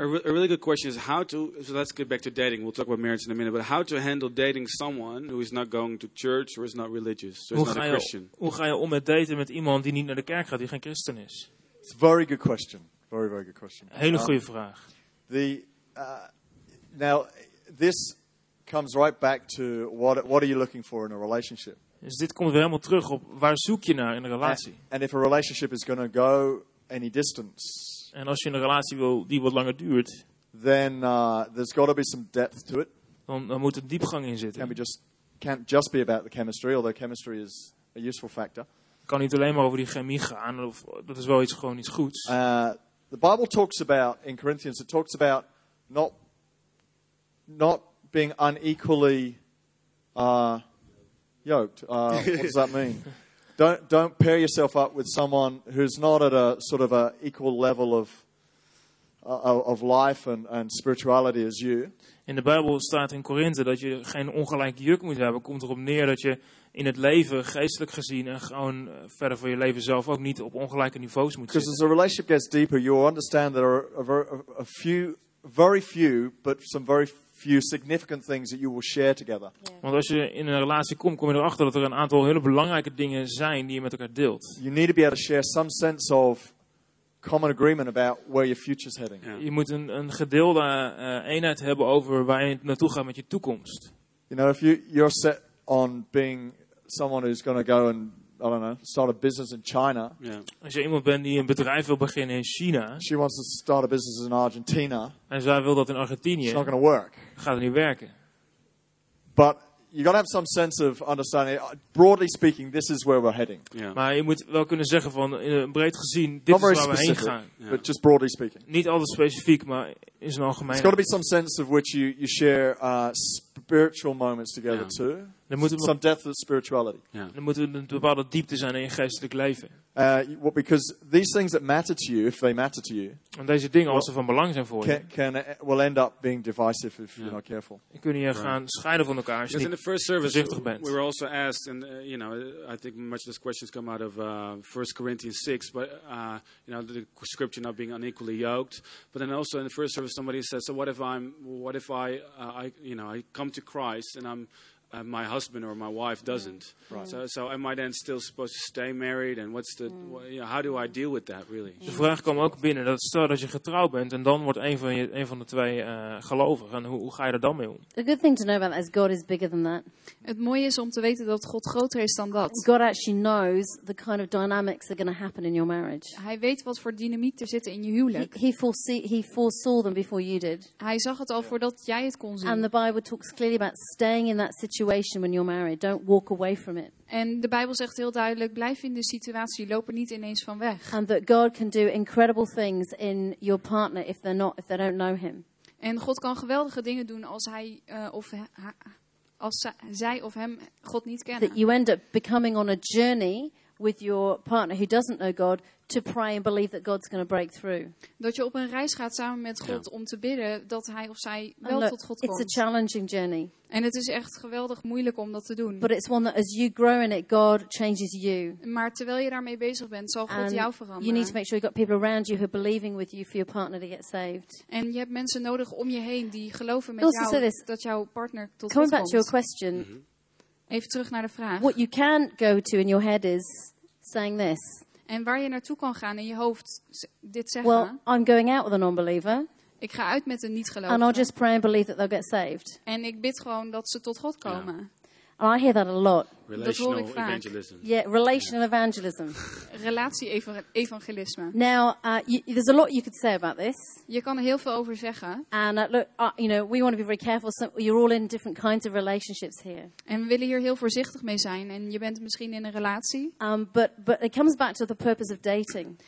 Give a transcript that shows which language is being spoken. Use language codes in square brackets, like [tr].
[en] A really good question is how to. So let's get back to dating. We'll talk about marriage in a minute, but how to handle dating someone who is not going to church or is not religious, so [nl] hoe [en] is not a Christian. [nl] Hoe ga je om met daten met iemand die niet naar de kerk gaat, die geen christen is? [en] It's a very good question. Very, very good question. [nl] Hele goede vraag. [en] Now this comes right back to what are you looking for in a relationship? [nl] Dus dit komt weer helemaal terug op waar zoek je naar in een relatie. [en] And if a relationship is going to go any distance. [nl] En als je een relatie wil die wat langer duurt. [en] Then there's got to be some depth to it. [nl] Dan moet er diepgang in zitten. [en] And we just can't just be about the chemistry, although chemistry is a useful factor. [nl] Kan niet alleen maar over die chemie gaan, of dat is wel iets gewoon iets goeds. [en] The Bible talks about in Corinthians, it talks about not being unequally yoked. What does that mean? Don't pair yourself up with someone who's not at a sort of a equal level of life and spirituality as you. [nl] In de Bijbel staat in Korinthe dat je geen ongelijk juk moet hebben. Komt erop neer dat je in het leven geestelijk gezien en gewoon verder voor je leven zelf ook niet op ongelijke niveaus moet zitten. [en] Because as the relationship gets deeper, you understand there are a few, very few, but some very few significant things that you will share together. Yeah. [nl] Want als je in een relatie komt, kom je erachter dat er een aantal hele belangrijke dingen zijn die je met elkaar deelt. [en] You need to be able to share some sense of common agreement about where your future is heading. Yeah. [nl] Je moet een gedeelde eenheid hebben over waar je naartoe gaat met je toekomst. [en] You know, if you're set on being someone who's going to go and I don't know, start a business in China. Yeah. [nl] Als je iemand bent die een bedrijf wil beginnen in China. [en] She wants to start a business in Argentina. [nl] En zij wil dat in Argentinië. [en] It's not going to work. [nl] Gaat het niet werken. [en] But you got to have some sense of understanding. Broadly speaking, this is where we're heading. Yeah. [nl] Maar je moet wel kunnen zeggen van breed gezien, dit [en] not [nl] is waar we heen gaan. [en] Yeah. But just broadly speaking. [nl] Niet al te specifiek, maar in zijn algemeen. [en] It's got to be some sense of which you share spiritual moments together yeah. too. Some depth of spirituality. Yeah. [nl] Dan moet er een bepaalde diepte zijn in je geestelijk leven. [en] Because these things that matter to you, if they matter to you, [nl] en deze dingen als ze van belang zijn voor je, [en] will end up being divisive if you're not careful. [nl] Kunnen je gaan scheiden van elkaar als je niet voorzichtig bent. [en] We were also asked, and you know, I think much of this questions come out of 1 Corinthians 6, but you know, the scripture not being unequally yoked. But then also in the first service, somebody said, so what if I come to Christ and I'm my husband or my wife doesn't. Right. So am I then still supposed to stay married? And what's the, how do I deal with that really? [nl] De vraag kwam ook binnen dat stel dat je getrouwd bent en dan wordt een van de twee gelovig. En hoe ga je er dan mee om? [en] A good thing to know about that is God is bigger than that. [nl] Het mooie is om te weten dat God groter is dan dat. [en] God actually knows the kind of dynamics that are going to happen in your marriage. [nl] Hij weet wat voor dynamiek er zitten in je huwelijk. [en] He foresaw them before you did. [nl] Hij zag het al voordat jij het kon zien. [en] And the Bible talks clearly about staying in that situation when you're married. Don't walk away from it. [nl] En de Bijbel zegt heel duidelijk: blijf in de situatie, loop er niet ineens van weg. [en] And that God can do incredible things in your partner if they don't know Him. [nl] En God kan geweldige dingen doen als hij of als zij of hem God niet kennen. [en] That you end up becoming on a journey with your partner who doesn't know God to pray and believe that God's going to break through. [nl] Dat je op een reis gaat samen met God om te bidden dat hij of zij wel tot God komt. [en] It's a challenging journey. [nl] En het is echt geweldig moeilijk om dat te doen. [en] But it's one that as you grow in it, God changes you. [nl] Maar terwijl je daarmee bezig bent, zal God jou veranderen. [en] You need to make sure you've got people around you who are believing with you for your partner to get saved. [nl] En je hebt mensen nodig om je heen die geloven met jou dat jouw partner tot God komt. [en] Coming back to your question. [nl] Even terug naar de vraag. [en] What you can go to in your head is saying this. [nl] En waar je naartoe kan gaan in je hoofd, dit zeggen. [en] Well, I'm going out with a non-believer. [nl] Ik ga uit met een niet-gelovige. [en] And I'll just pray and believe that they'll get saved. [nl] En ik bid gewoon dat ze tot God komen. [en] Yeah. I hear that a lot. Relational evangelism. Yeah, relational evangelism. [nl] Relatie-evangelisme. [en] Now, there's a lot you could say about this. [nl] Je kan er heel veel over zeggen. [en] And we want to be very careful. So you're all in different kinds of relationships here. [nl] En we willen hier heel voorzichtig mee zijn. En je bent misschien in een relatie. [en] But it comes back to the purpose of dating.